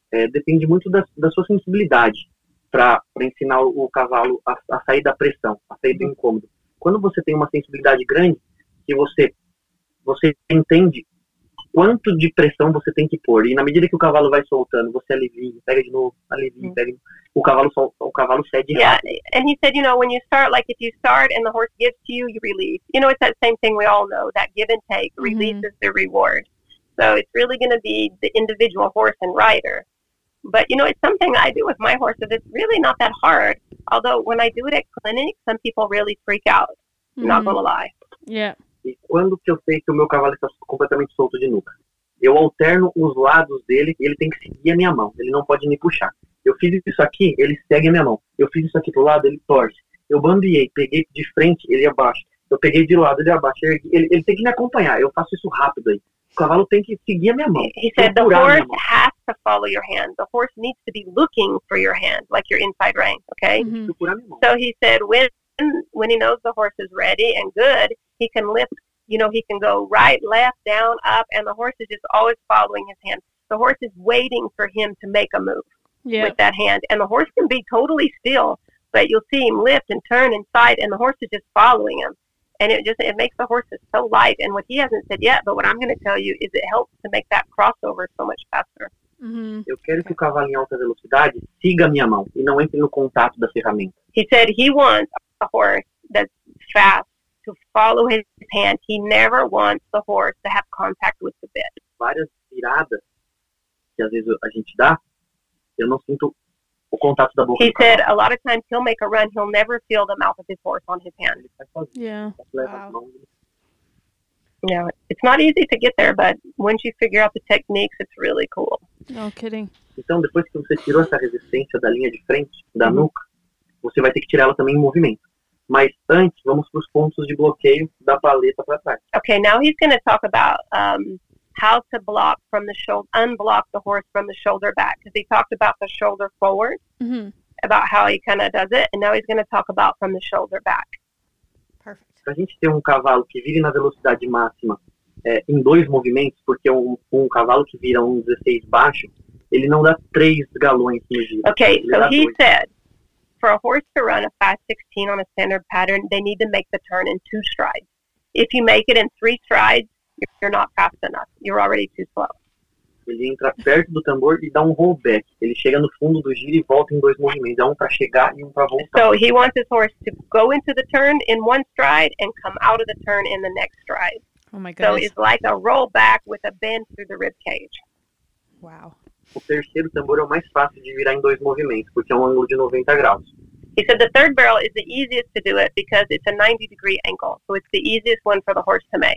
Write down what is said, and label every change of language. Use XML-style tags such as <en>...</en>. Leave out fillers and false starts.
<pt>Depende muito da sua sensibilidade para ensinar o cavalo a sair da pressão, a sair do incômodo. Quando você tem uma sensibilidade grande, que você entende quanto de pressão você tem que pôr. E na medida que o cavalo vai soltando, você alivia, pega de novo, alivia, pega de novo. O cavalo cede rápido.</pt> <en>Yeah, and he said, you know, when you start, like if you start and the horse gives to you, you release. You know, it's that same thing we all know, that give and take releases mm-hmm. the reward. So it's really going to be the individual horse and rider. But, you know, it's something I do with my horses. It's really not that hard. Although when I do it at clinic, some people really freak out. Mm-hmm. Not going to lie. Yeah.</en> <pt>E quando que eu sei que o meu cavalo está completamente solto de nuca? Eu alterno os lados dele e ele tem que seguir a minha mão. Ele não pode me puxar. Eu fiz isso aqui, ele segue a minha mão. Eu fiz isso aqui pro lado, ele torce. Eu bambiei, peguei de frente, ele abaixa. Eu peguei de lado, ele abaixa. Ele tem que me acompanhar. Eu faço isso rápido aí. O cavalo tem que seguir a minha mão.</pt> <en>He said the horse has to follow your hand. The horse needs to be looking for your hand, like your inside rein, okay? Mm-hmm. So he said when he knows the horse is ready and good, he can lift, you know, he can go right, left, down, up, and the horse is just always following his hand. The horse is waiting for him to make a move with that hand. And the horse can be totally still, but you'll see him lift and turn and side, and the horse is just following him. And it makes the horses so light. And what he hasn't said yet, but what I'm going to tell you, is it helps to make that crossover so much faster. Mm-hmm.</en> <pt>Eu quero que o cavalo em alta velocidade siga a minha mão e não entre no contato da ferramenta.</pt> <en>He said he wants a horse that's fast to follow his hand. He never wants the horse to have contact with the bit.</en> <pt>Várias viradas que às vezes a gente dá, eu não sinto o contato da boca.</pt> <en>He said a lot of times he'll make a run, he'll never feel the mouth of his horse on his hand. Yeah, it's not easy to get there, but once you figure out the techniques, it's really cool. No kidding.</en> <pt>Então, depois que você tirou essa resistência da linha de frente, da nuca, você vai ter que tirar ela também em movimento. Mas antes, vamos para os pontos de bloqueio da paleta para trás.</pt> <en>Okay, now he's going to talk about how to block from the shoulder, unblock the horse from the shoulder back. Because he talked about the shoulder forward, mm-hmm. about how he kind of does it. And now he's going to talk about from the shoulder back. Perfect.</en> <pt>Para a gente ter um cavalo que vire na velocidade máxima em dois movimentos, porque um cavalo que vira um 16 baixo, ele não dá 3 galões no giro.</pt> <en>Okay, so he said, for a horse to run a fast 16 on a standard pattern, they need to make the turn in 2 strides. If you make it in 3 strides, you're not fast enough. You're already too slow.</en> <pt>Ele entra perto do tambor e dá um rollback. Ele chega no fundo do giro e volta em 2 movimentos. É um para chegar e um para voltar.</pt> <en>So he wants his horse to go into the turn in 1 stride and come out of the turn in the next stride. Oh my goodness. So it's like a rollback with a bend through the rib cage. Wow.</en> <pt>O terceiro tambor é o mais fácil de virar em 2 movimentos, porque é um ângulo de 90 graus.</pt> <en>He said the third barrel is the easiest to do it because it's a 90 degree angle. So it's the easiest one for the horse to make.</en>